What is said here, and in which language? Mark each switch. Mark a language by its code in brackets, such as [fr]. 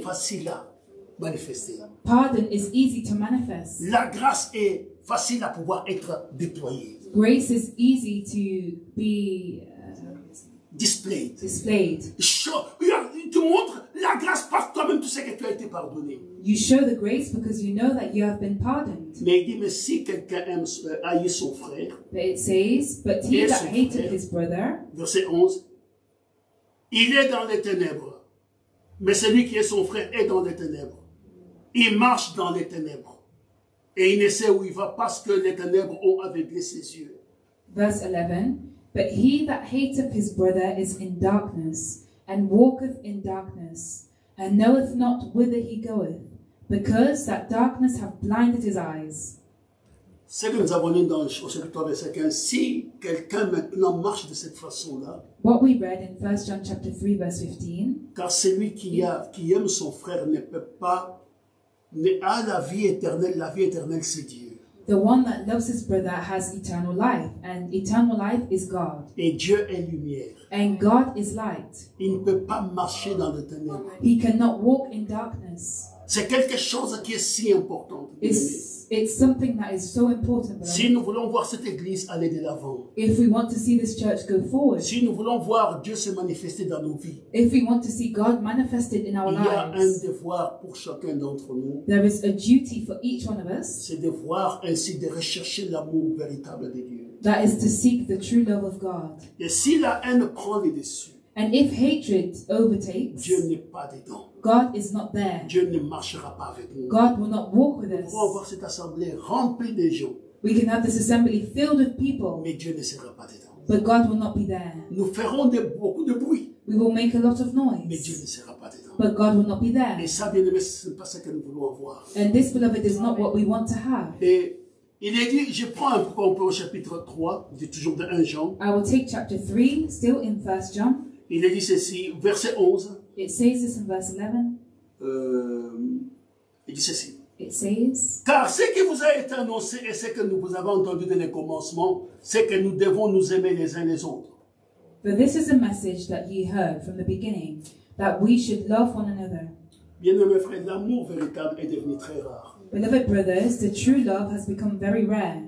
[fr] pardon est facile à manifester. [en] Pardon is easy to manifest. [fr] La grâce est facile à pouvoir être déployée. [en] Grace is easy to be displayed. [fr] Tu montres la grâce par toi-même, tu sais que tu as été pardonné. [en] You show the grace because you know that you have been pardoned. [fr] Mais il dit, mais si quelqu'un aime haïr son frère, [en] but it says, but he that hated his brother, [fr] verset 11, il est dans les ténèbres. Mais celui qui est son frère est dans les ténèbres. Il marche dans les ténèbres. Et il ne sait où il va parce que les ténèbres ont aveuglé ses yeux. [en] Verse 11. But he that hateth his brother is in darkness, and walketh in darkness, and knoweth not whither he goeth, because that darkness hath blinded his eyes. [fr] Ce que nous avons lu dans le chapitre 3, verset 15, si quelqu'un maintenant marche de cette façon-là, [en] what we read in 1 John chapter 3, verse 15, [fr] car celui qui aime son frère ne peut pas, ne a la vie éternelle c'est Dieu. [en] The one that loves his brother has eternal life, and eternal life is God. [fr] Et Dieu est lumière. [en] And God is light. [fr] Il ne peut pas marcher dans le ténèbre. [en] He cannot walk in darkness. [fr] C'est quelque chose qui est si important. [en] It's something that is so important. [fr] Si nous voulons voir cette église aller de l'avant, [en] if we want to see this church go forward, [fr] si nous voulons voir Dieu se manifester dans nos vies, [en] if we want to see God manifested in our [fr] il [en] lives, [fr] il y a un devoir pour chacun d'entre nous. [en] There is a duty for each one of us. [fr] C'est de voir ainsi de rechercher l'amour véritable de Dieu. [en] That is to seek the true love of God. [fr] Et si la haine prend le dessus, [en] and if hatred overtakes, [fr] Dieu n'est pas dedans. [en] God is not there. [fr] Dieu ne marchera pas avec nous. [en] God will not walk with us. [fr] On pourra avoir cette assemblée remplie de gens. [en] We can have this assembly filled with people. [fr] Mais Dieu ne sera pas dedans. [en] But God will not be there. [fr] Nous ferons beaucoup de bruit. [en] We will make a lot of noise. [fr] Mais Dieu ne sera pas dedans. [en] But God will not be there. [fr] Et ça, bien-aimé, ce n'est pas ce que nous voulons avoir. [en] And this, beloved, is not what we want to have. [fr] Et il est dit, je prends un peu au chapitre 3, il est toujours dans 1 Jean. [en] I will take chapter 3, still in 1 John. [fr] Il est dit ceci, verset 11. [en] It says this in verse 11. [fr] Il dit ceci. [en] It says, [fr] car ce qui vous a été annoncé et ce que nous vous avons entendu dès le commencement, c'est que nous devons nous aimer les uns les autres. [en] For this is a message that ye heard from the beginning, that we should love one another. [fr] Bien-aimés frères, l'amour véritable est devenu très rare. [en] Beloved brothers, the true love has become very rare.